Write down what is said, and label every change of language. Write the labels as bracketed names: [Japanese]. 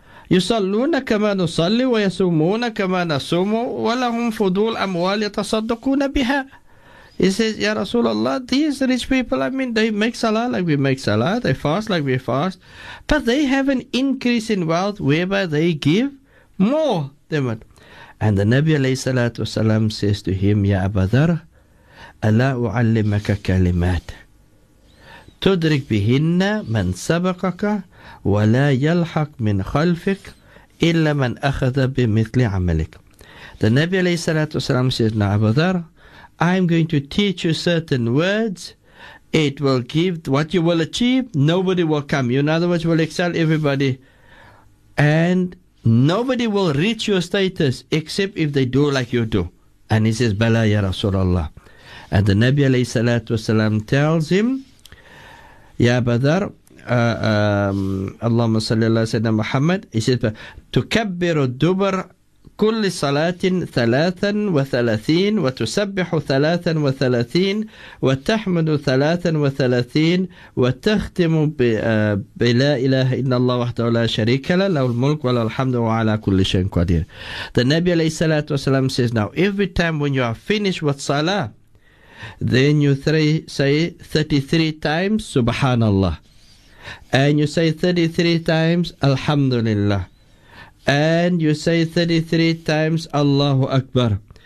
[Arabic] يُصَلُّونَ كَمَا نُصَلِّ وَيَسُومُونَ كَمَا نَسُومُ وَلَهُمْ فُضُولَ أَمْوَالِ يَتَصَدُّقُونَ بِهَا. [English] He says, Ya Rasulullah, these rich people, I mean, they make salah like we make salah, they fast like we fast, but they have an increase in wealth whereby they give more than what. And the Nabi alayhi salatu wasalam says to him, Ya Abu Dharr, [Arabic] أَلَا أُعَلِّمَكَ كَلِمَاتٍ تدرك بهن من سبقك ولا يلحق من خلفك إلا من أخذ بمثل عملك. [English] The Nabi alayhi salatu wasalam says, Now Abu Dharr, I'm going to teach you certain words. It will give what you will achieve. Nobody will come. You, in other words, will excel everybody. And nobody will reach your status except if they do like you do. And he says, Bala ya Rasulullah. And the Nabi alayhi salatu wasalam tells him, Ya Abu Dharr, Allahumma salli ala Sayyidina Muhammad, he says, [Arabic] تُكَبِّرُ الدُّبَرْ كُلِّ صَلَاةٍ ثَلَاثًا وَثَلَاثِينَ وَتُسَبِّحُ ثَلَاثًا وَثَلَاثِينَ وَتَحْمُدُ ثَلَاثًا وَثَلَاثِينَ وَتَخْتِمُ بِلَا إِلَهِ إِنَّ اللَّهَ وَحْدَهُ لَا شَرِيكَ لَهُ لَهُ الْمُلْكُ وَلَهُ الْحَمْدُ وَعَلَى كُلِّ شَيْءٍ قَدِيرٌ. [English] The Nabi alayhi salatu wasalam says, now every time when you are finished with salah, then you say 33 times Subhanallah, and you say 33 times Alhamdulillah, and you say 33 times Allahu Akbar.